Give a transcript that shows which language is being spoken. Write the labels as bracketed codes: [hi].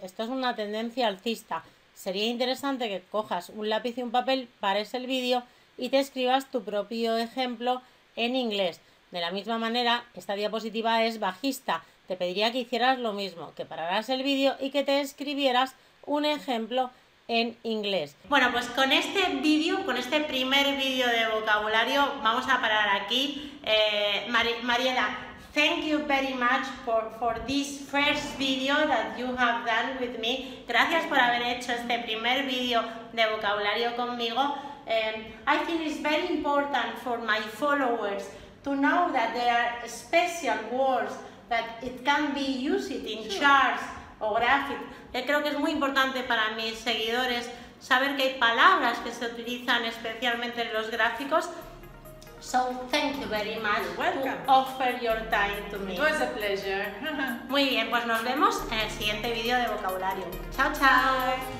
[es] Esto es una tendencia alcista. Sería interesante que cojas un lápiz y un papel, pares el vídeo y te escribas tu propio ejemplo en inglés. De la misma manera, esta diapositiva es bajista. Te pediría que hicieras lo mismo, que pararas el vídeo y que te escribieras un ejemplo en inglés. Bueno, pues con este vídeo, con este primer vídeo de vocabulario, vamos a parar aquí. [en] Mariela, thank you very much for this first video that you have done with me. [es] Gracias por haber hecho este primer video de vocabulario conmigo. [en] I think it's very important for my followers to know that there are special words that it can be used in charts or graphics. [es] Creo que es muy importante para mis seguidores saber que hay palabras que se utilizan especialmente en los gráficos. [en] So thank you very much. You're welcome. To offer your time to me. It was a pleasure. [es] Muy bien, pues nos vemos en el siguiente video de vocabulario. Chao, chao.